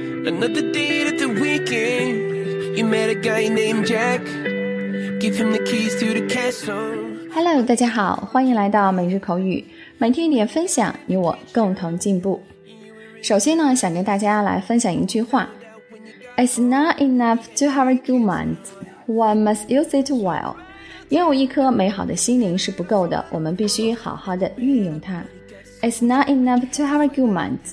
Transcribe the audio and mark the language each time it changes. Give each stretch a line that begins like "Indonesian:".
English: Another day at the weekend, you met a guy named Jack. Give him the keys to the castle.
Chinese: Hello, 大家好，欢迎来到每日口语，每天一点分享，你我共同进步。首先呢，想跟大家来分享一句话。
English: It's not enough to have a good mind. One must use it well.
Chinese: 拥有一颗美好的心灵是不够的，我们必须好好的运用它。
English: It's not enough to have a good mind.